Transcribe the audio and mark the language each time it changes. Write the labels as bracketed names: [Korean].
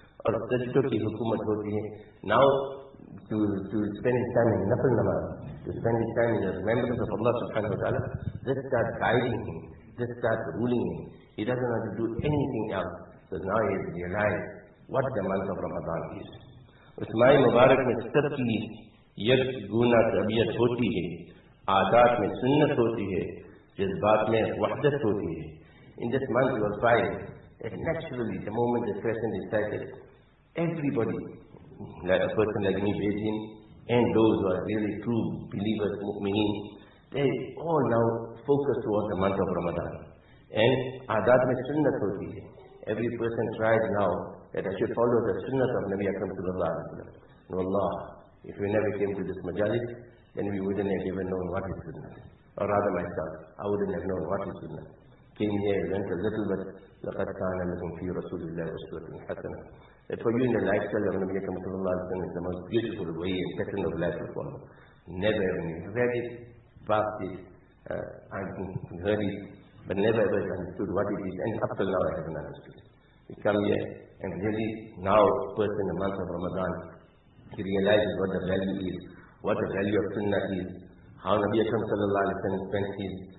[Urdu] Or sajdo ki hukumat hoti hai. [English] Now, to spend his time in nafal namaz, to spend his time in the remembrance of Allah subhanahu wa ta'ala, this starts guiding him, this starts ruling him. He doesn't have to do anything else. So now he has realized what the month of Ramadan is. [Urdu] اس ماہ مبارک میں سب کی یک گونہ طبیعت ہوتی ہے, عادات میں سنت ہوتی ہے, جذبات میں وحدت ہوتی ہے. [English] In this month you will find that naturally the moment the session is started, everybody, like a person like me, Beijing, and those who are really true believers, mu'mineen, they all now focus towards the month of Ramadan. [Urdu] And عادات میں سنت ہوتی ہے. [English] Every person tries now that I should follow the sunnah of Nabi Akram sallallahu alayhi wa sallam. No Allah, if we never came to this majalis, then we wouldn't have even known what is sunnah. Or rather myself, I wouldn't have known what is sunnah. Came here, learnt a little bit, [Arabic] لَقَدْ كَانَ لَكُمْ فِي رَسُولِ اللَّهِ وَسُوَةٍ حَسَنًا. [English] That for you in the lifestyle of Nabi Akram sallallahu alayhi wa sallam is the most beautiful way and pattern of life of Allah. Never have you read it, passed it, I've heard it, but never ever understood what it is, and up till now I haven't understood it. We come here, and really, now, first in the month of Ramadan, he realizes what the value is, what the value of sunnah is, how Nabi Akram sallallahu alayhi wa sallam spent his